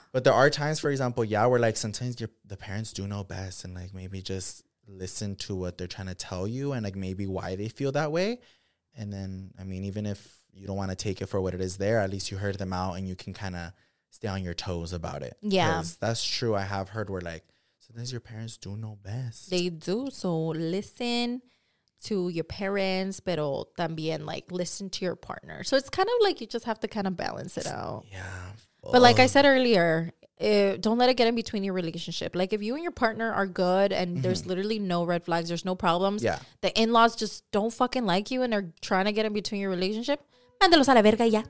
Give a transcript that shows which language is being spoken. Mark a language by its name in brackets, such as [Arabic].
[English] but there are times, for example, yeah, where like sometimes the parents do know best, and like maybe just listen to what they're trying to tell you and like maybe why they feel that way. And then I mean, even if you don't want to take it for what it is, there at least you heard them out and you can kind of stay on your toes about it. Yeah, that's true. I have heard where like sometimes your parents do know best. They do. So listen to your parents, [Spanish] pero también [English] like listen to your partner. So it's kind of like you just have to kind of balance it out. Yeah. But like I said earlier, don't let it get in between your relationship. Like if you and your partner are good and there's literally no red flags, there's no problems. Yeah. The in-laws just don't fucking like you and they're trying to get in between your relationship. [Spanish] Mándalos a la verga ya.